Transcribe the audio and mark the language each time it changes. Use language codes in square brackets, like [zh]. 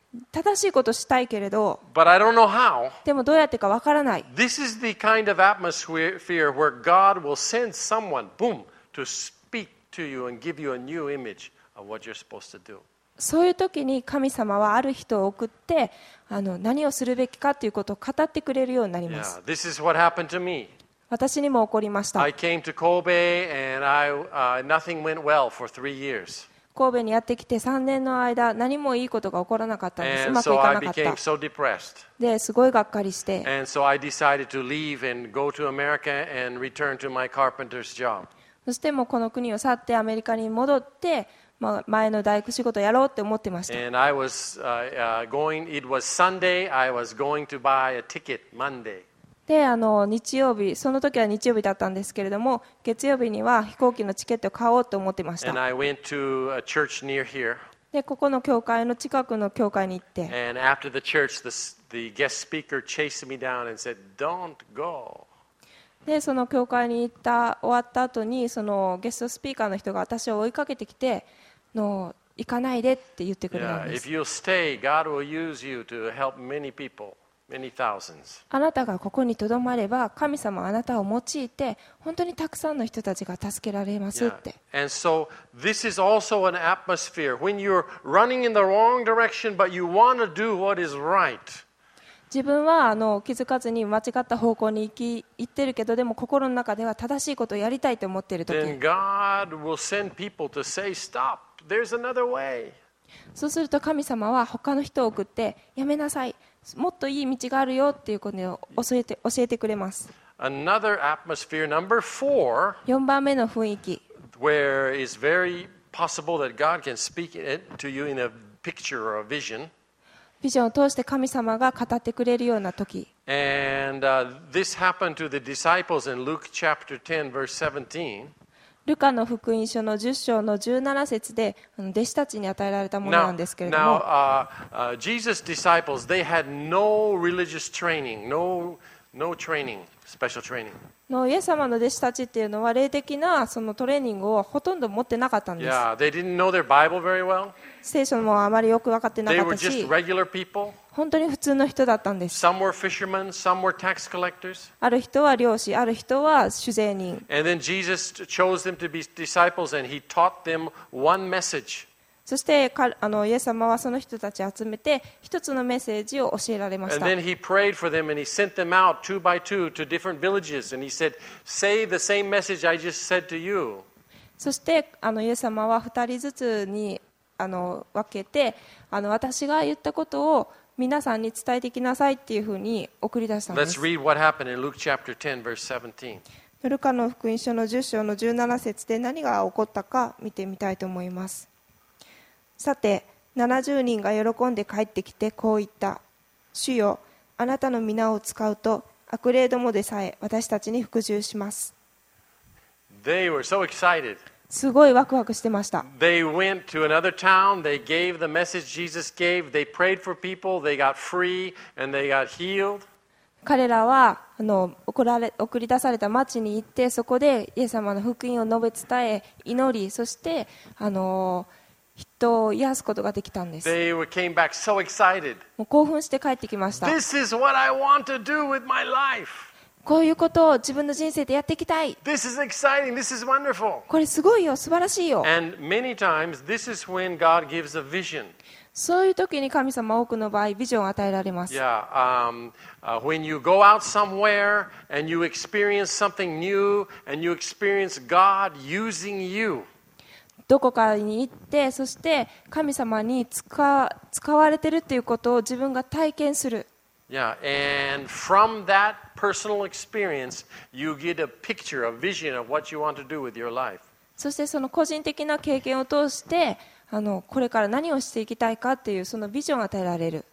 [ja] 正しいことしたいけれど。 [en] But I don't know how. [ja] でもどうやってかわからない。 [en] This is the kind of atmosphere where God will send someone, boom, to speak to you and give you a new image of what you're supposed to do. [ja] そういう時に神様はある人を送って何をするべきかということを語ってくれるようになります。 [en] Yeah, this is what happened to me. [ja] 私にも起こりました。 [en] I came to Kobe and I, nothing went well for three years. [ja] 神戸にやってきて3年の間何もいいことが起こらなかったんです。うまくいかなかった。 [en] And so I became so depressed. [ja] で、すごいがっかりして。 [en] And so I decided to leave and go to America and return to my carpenter's job. [ja] そしてもうこの国を去ってアメリカに戻って、まあ、前の大工仕事をやろうって思ってました。 [en] And I was, going, it was Sunday, I was going to buy a ticket Monday. [ja] で日曜日、その時は日曜日だったんですけれども、月曜日には飛行機のチケットを買おうと思ってました。 [en] And I went to a church near here. [ja] で、ここの教会の近くの教会に行って。 [en] And after the church, the guest speaker chased me down and said, "Don't go." [ja] で、その教会に行った終わった後に、そのゲストスピーカーの人が私を追いかけてきて、行かないでって言ってくれたんです。 [en] Yeah, if you stay, God will use you to help many people. Many thousands. [ja] あなたがここにとどまれば神様はあなたを用いて本当にたくさんの人たちが助けられますって。 Yeah. [en] And so this is also an atmosphere when you're running in the wrong direction but you want to do what is right. [ja] 自分は気づかずに間違った方向に行ってるけどでも心の中では正しいことをやりたいと思ってる時。 [en] Then God will send people to say stop. There's another way. [ja] そうすると神様は他の人を送ってやめなさい、もっといい道があるよっていうことを教えてくれます。 [en] Another atmosphere, number four, [ja] 4番目の雰囲気。 [en] Where it's very possible that God can speak it to you in a picture or a vision. [ja] ビジョンを通して神様が語ってくれるような時。 [en] And this happened to the disciples in Luke chapter 10, verse 17. [ja] ルカの福音書の10章の17節で弟子たちに与えられたものなんですけれども [en] now, Jesus' disciples, they had no religious training, no training special training. [ja] のイエス様の弟子たちっていうのは霊的なそのトレーニングをほとんど持ってなかったんです。 [en] Yeah, they didn't know their Bible very well. [ja] 聖書もあまりよく分かってなかったし。 [en] They were just regular people. [ja] 本当に普通の人だったんです。 [en] Some were fishermen, some were tax collectors. [ja] ある人は漁師、ある人は主税人。 [en] And then Jesus chose them to be disciples, and he taught them one message. [ja] そしてあのイエス様はその人たちを集めて一つのメッセージを教えられました。 [en] And then he prayed for them and he sent them out two by two to different villages and he said, say the same message I just said to you. [ja] そしてあのイエス様は二人ずつにあの分けてあの私が言ったことを皆さんに伝えてきなさいっていうふうに送り出したんです。 [en] Let's read what happened in Luke chapter 10 verse 17. [ja] ヌルカの福音書の10章の17節で何が起こったか見てみたいと思います。さて70人が喜んで帰ってきてこう言った。主よ、あなたの皆を使うと悪霊どもでさえ私たちに服従します。 [en] They were so excited. [ja] すごいワクワクしてました。 [en] They went to another town. They gave the message Jesus gave. They prayed for people. They got free and they got healed. [ja] 彼らはあの 送り出された町に行ってそこでイエス様の福音を述べ伝え祈りそしてあの人を癒すことができたんです。 [en] They came back so excited. [ja] もう興奮して帰ってきました。 [en] This is what I want to do with my life. [ja] こういうことを自分の人生でやっていきたい。 [en] This is exciting. This is wonderful. [ja] これすごいよ、素晴らしいよ。 [en] And many times, this is when God gives a vision. [ja] そういう時に神様多くの場合ビジョンを与えられます。 [en] Yeah, when you go out somewhere and you experience something new and you experience God using you. [ja] どこかに行ってそして神様に使われているということを自分が体験する。 [en] Yeah, and from that personal experience, you get a picture, a vision of what you want to do with your life. [ja] そしてその個人的な経験を通してあのこれから何をしていきたいかっていうそのビジョンが与えられる。